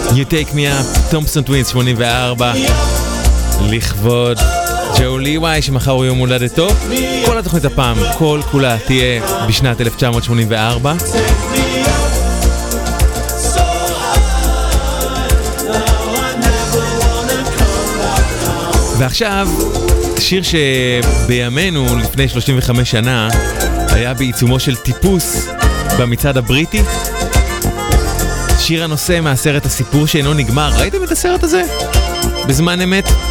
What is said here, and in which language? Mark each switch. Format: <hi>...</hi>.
<he>Take me up, Thompson Twins 84, לכבוד ג'ו ליוואי שמחר הוא יום הולדתו. כל התוכנית הפעם, כל כולה תהיה בשנת 1984.</he> <en>Take me up, so high, now I never wanna come back</en> <he>ועכשיו, שיר שבימינו, לפני 35 שנה, היה בעיצומו של טיפוס במצד הבריטי. שיר הנושא מהסרט הסיפור שאינו נגמר. ראיתם את הסרט הזה? בזמן אמת?</he>